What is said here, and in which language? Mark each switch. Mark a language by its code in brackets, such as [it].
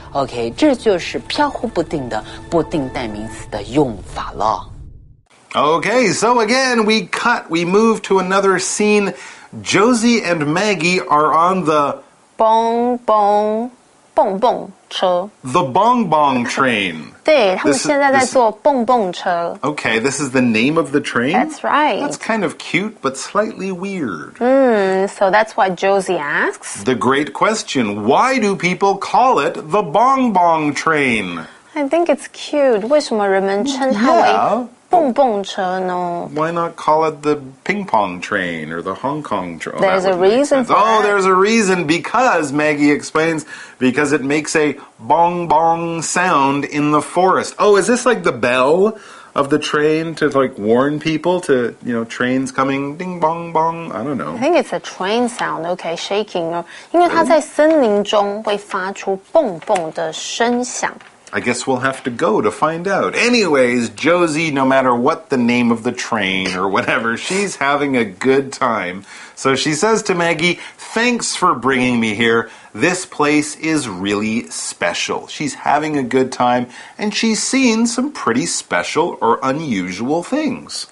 [zh] OK， 这就是飘忽不定的不定代名词的用法了。 [en] OK， so again, we move to another scene. Josie and Maggie are on the [zh] bong bong 蹦蹦车 [en] the bong bong train. [zh] 对，他们现在在坐蹦蹦车。 [en] OK, this is the name of the train? That's right. That's kind of cute, but slightly weird. So that's why Josie asks. The great question, why do people call it the bong bong train? I think it's cute. [zh] 为什么人们称它为蹦蹦车呢？ [en] Why not call it the ping pong train or the Hong Kong train? There's a reason for that. Oh, there's a reason, because Maggie explains, because it makes a bong bong sound in the forest. Oh, is this like the bell of the train to like warn people to, you know, trains coming, ding bong bong? I don't know. I think it's a train sound, okay, shaking. [zh] 因为它在森林中会发出蹦蹦的声响。 [en] I guess we'll have to go to find out. Anyways, Josie, no matter what the name of the train or whatever, she's having a good time. So she says to Maggie, thanks for bringing me here. This place is really special. She's having a good time, and she's seen some pretty special or unusual things.